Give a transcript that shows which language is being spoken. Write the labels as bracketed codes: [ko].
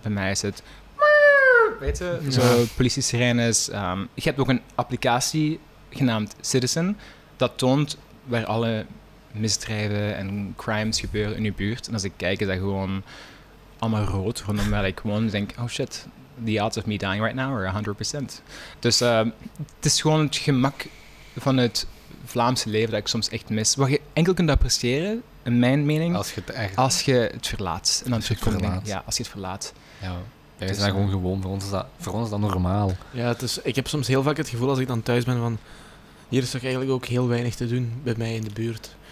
[nl] Bij mij is het, weet je, zo politie-sirenes. Je hebt ook een applicatie genaamd Citizen. Dat toont waar alle misdrijven en crimes gebeuren in je buurt. En als ik kijk, is dat gewoon allemaal rood rondom waar ik woon. Dan denk ik, [en] oh shit. The odds of me dying right now are 100%. [nl] Dus het is gewoon het gemak van het Vlaamse leven dat ik soms echt mis. Wat je enkel kunt appreciëren, in mijn mening, als je het verlaat. En dan terugkomt. Ja, als je het verlaat. Ja, wij zijn dat gewoon gewoon. Voor ons is dat normaal. Ja, ik heb soms heel vaak het gevoel als ik dan thuis ben van, hier is toch eigenlijk ook heel weinig te doen bij mij in de buurt.